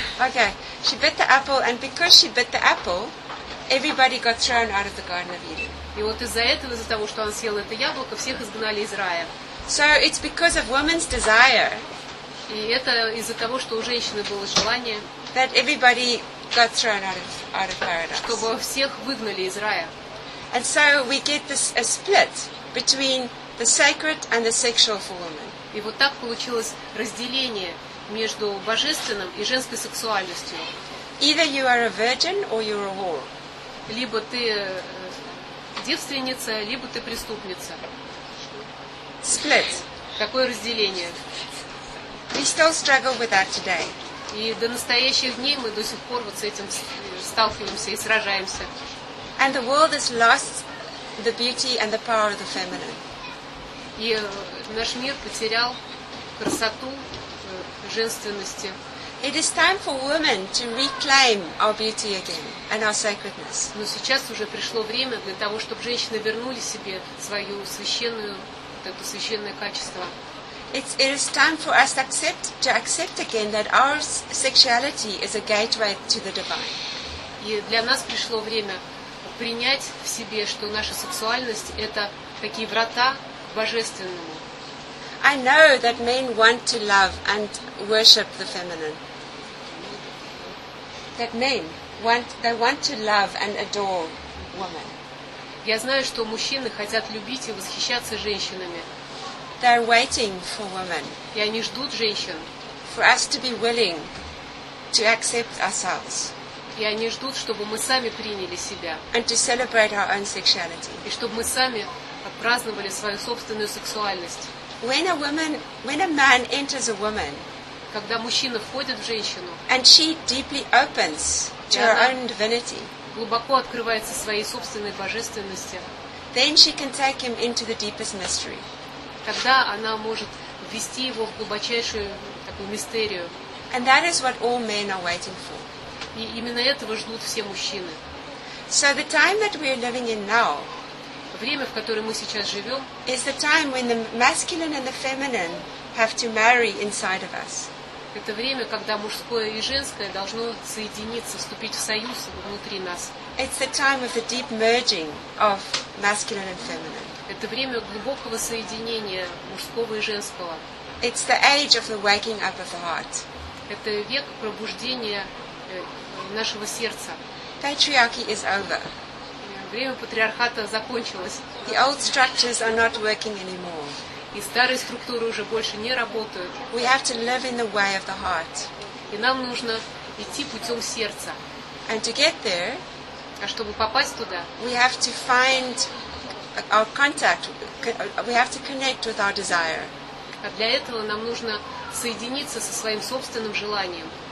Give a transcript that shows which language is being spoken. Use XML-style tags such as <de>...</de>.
<en>Okay, she bit the apple, and because she bit the apple, everybody got thrown out of the Garden of Eden.</en> <ru>И вот из-за этого, из-за того, что она съела это яблоко, всех изгнали из рая.</ru> <en>So it's because of woman's desire.</en> <ru>И это из-за того, что у женщины было желание.</ru> <en>That everybody got thrown out of paradise.</en> <ru>Чтобы всех выгнали из рая.</ru> <en>And so we get this a split between the sacred and the sexual for women.</en> <ru>И вот так получилось разделение между божественным и женской сексуальностью.</ru> <en>Either you are a virgin or you're a whore.</en> <ru>Либо ты девственница, либо ты преступница.</ru> <en>Split.</en> <ru>Такое разделение.</ru> <en>We still struggle with that today.</en> <ru>И до настоящих дней мы до сих пор вот с этим сталкиваемся и сражаемся.</ru> <en>And the world has lost the beauty and the power of the feminine.</en> <ru>И наш мир потерял красоту женственности.</ru> <en>It is time for women to reclaim our beauty again and our sacredness.</en> <ru>Но сейчас уже пришло время для того, чтобы женщины вернули себе свою священную, вот это священное качество.</ru> <en>It is time for us to accept again that our sexuality is a gateway to the divine.</en> <ru>И для нас пришло время принять в себе, что наша сексуальность – это такие врата к божественному.</ru> <en>I know that men want to love and worship the feminine. That men want, they want to love and adore women.</en> <ru>Я знаю, что мужчины хотят любить и восхищаться женщинами.</ru> <en>They are waiting for women.</en> <ru>И они ждут женщин.</ru> <en>For us to be willing to accept ourselves.</en> <ru>И они ждут, чтобы мы сами приняли себя.</ru> <en>And to celebrate our own sexuality.</en> <ru>И чтобы мы сами отпраздновали свою собственную сексуальность.</ru> <en>When a man enters a woman,</en> <ru>когда мужчина входит в женщину,</ru> <en>and she deeply opens to her own divinity,</en> <ru>глубоко открывается своей собственной божественности,</ru> <en>then she can take him into the deepest mystery.</en> <ru>Тогда она может ввести его в глубочайшую такую мистерию.</ru> <en>And that is what all men are waiting for.</en> <ru>И именно этого ждут все мужчины.</ru> <en>So the time that we are living in now.</en> <ru>Время, в которое мы сейчас живем,</ru> <en>is the time when the masculine and the feminine have to marry inside of us.</en> <ru>Это время, когда мужское и женское должно соединиться, вступить в союз внутри нас.</ru> <en>It's the time of the deep merging of masculine and feminine.</en> <ru>Это время глубокого соединения мужского и женского.</ru> <en>It's the age of the waking up of the heart.</en> <ru>Это век пробуждения нашего сердца.</ru> <en>Patriarchy is over.</en> <ru>Время патриархата закончилось.</ru> <en>The old structures are not working anymore.</en> <ru>И старые структуры уже больше не работают.</ru> <en>We have to live in the way of the heart.</en> <ru>И нам нужно идти путем сердца.</ru> <en>And to get there,</en> <ru>а чтобы попасть туда,</ru> <en>we have to find our contact. We have to connect with our desire.</en> <ru>А для этого нам нужно соединиться со своим собственным желанием.</ru>